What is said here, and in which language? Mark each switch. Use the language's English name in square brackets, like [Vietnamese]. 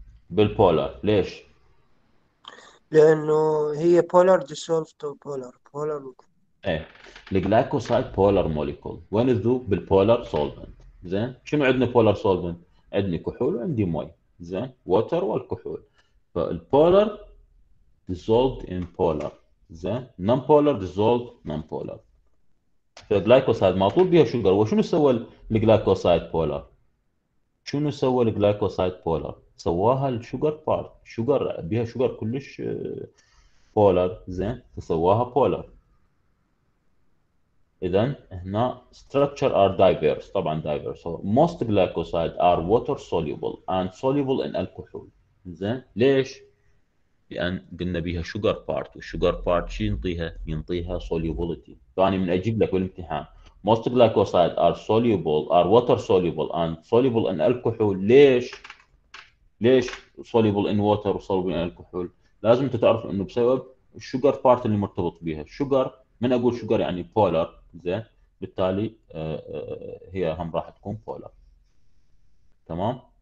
[Arabic] بالبولار، ليش؟ لانه هي بولار ديسولفت بولار بولار. ايه الجلايكوسايد بولار موليكول، وين الذوب؟ بالبولار سولفنت. زين، شنو عندنا بولار سولفنت؟ عندنا كحول وعندي مي، زين، ووتر والكحول. فالبولار [English] dissolved in polar، [Arabic] زين، [English] non polar dissolved non polar. [Arabic] فالجلايكوسايد معطول بيها شوجر، وشنو سوى الجلايكوسايد بولار؟ شنو سوى الجلايكوسايد بولار؟ سواها الشوجر بارت، شوجر بيها شوجر كلش بولار، زين، فسواها بولار. إذن هنا [English] structure are diverse، [Arabic] طبعا diverse. [English] So most glycosides are water soluble and soluble in alcohol. [Arabic] زين، ليش؟ لأن قلنا بها sugar part، والsugar part شو ينطيها؟ ينطيها solubility. فأني من أجيب لك بالامتحان [English] most glycosides are soluble are water soluble and soluble in alcohol. [Arabic] ليش؟ ليش [English] soluble in water [Arabic] و [English] soluble in alcohol؟ [Arabic] لازم أنت تعرف إنه بسبب sugar part اللي مرتبط بها. sugar، من أقول sugar يعني polar، زين، بالتالي هي هم راح تكون بولر. تمام.